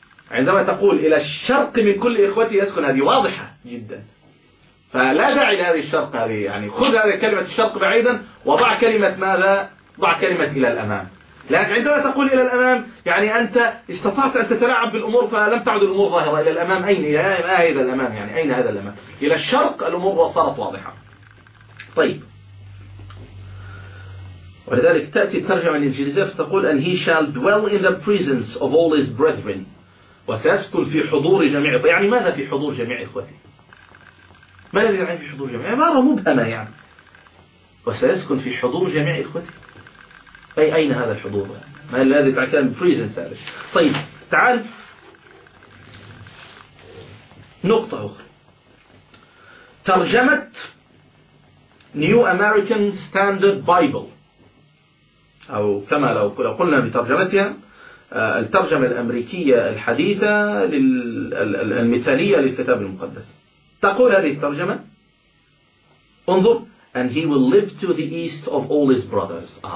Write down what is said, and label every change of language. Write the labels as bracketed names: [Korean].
[Arabic] عندما تقول إلى الشرق من كل إخوتي يسكن، هذه واضحة جدا، فلا داعي لهذه الشرق هذه، يعني خذ هذه كلمة الشرق بعيدا، وضع كلمة ماذا؟ ضع كلمة إلى الأمام. لكن عندما تقول إلى الأمام، يعني أنت استطعت أن تتلاعب بالأمور فلم تعد الأمور ظاهرة. إلى الأمام أين؟ ما هي إذا الأمام؟ يعني أين هذا الأمام؟ إلى الشرق الأمور صارت واضحة. طيب، ولذلك تأتي الترجمة الإنجليزية فتقول: [English] And he shall dwell in the presence of all his brethren، [Arabic] وسيسكن في حضور جميع. يعني ماذا في حضور جميع إخوته؟ ما الذي يعني في حضور جميع؟ عبارة مبهمة يعني، وسيسكن في حضور جميع إخوته، أي أين هذا الحضور؟ ما الذي تعكان بريزن سالش؟ طيب تعال نقطة أخرى، ترجمة New American Standard Bible، أو كما لو قلنا بترجمتها الترجمة الأمريكية الحديثة المثالية للكتاب المقدس، تقول هذه الترجمة: انظر، [English] and he will live to the east of all his brothers.